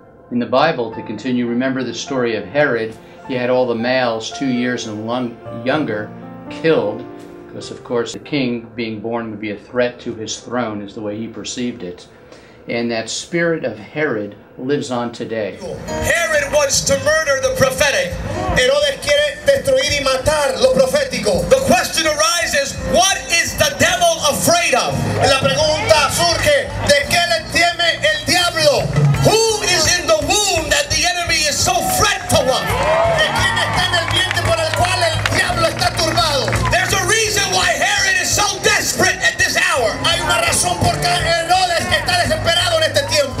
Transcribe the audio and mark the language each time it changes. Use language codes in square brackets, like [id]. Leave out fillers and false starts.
[en] In the Bible, to continue, remember the story of Herod. He had all the males 2 years and younger killed, because of course the king being born would be a threat to his throne, is the way he perceived it. And that spirit of Herod lives on today. Herod wants to murder the prophetic. [es] Herodes quiere destruir y matar lo profético. [en] The question arises, what is the devil afraid of? [es] La pregunta surge, ¿de qué le teme el diablo? [en] Who is in the womb that the enemy is so fretful of? [es] ¿De quién está en el vientre por el cual el diablo está turbado? [en] There's a reason why Herod is so desperate at this hour. [es] Hay una razón por qué Herodes está desesperado en este tiempo.